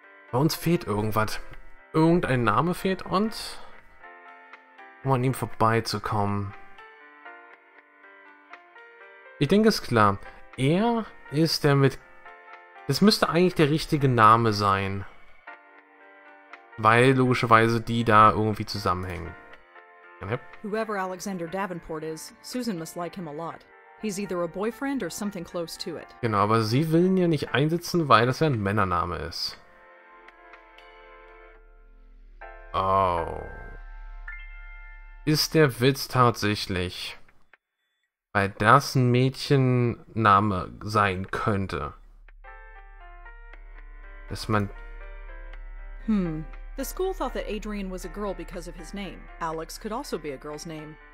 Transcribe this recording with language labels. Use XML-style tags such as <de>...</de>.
<de>Bei uns fehlt irgendwas. Irgendein Name fehlt uns, um an ihm vorbeizukommen. Ich denke, es ist klar. Er ist der mit... Es müsste eigentlich der richtige Name sein. Weil logischerweise die da irgendwie zusammenhängen.</de> <en>Whoever Alexander Davenport is, Susan must like him a lot. He's either a boyfriend or something close to it.</en> <de>Genau, aber sie will ihn ja nicht einsetzen, weil das ja ein Männername ist. Oh. Ist der Witz tatsächlich, weil das ein Mädchenname sein könnte? Dass man...</de> <en>The school thought that Adrian was a girl because of his name. Alex could also be a girl's name.</en>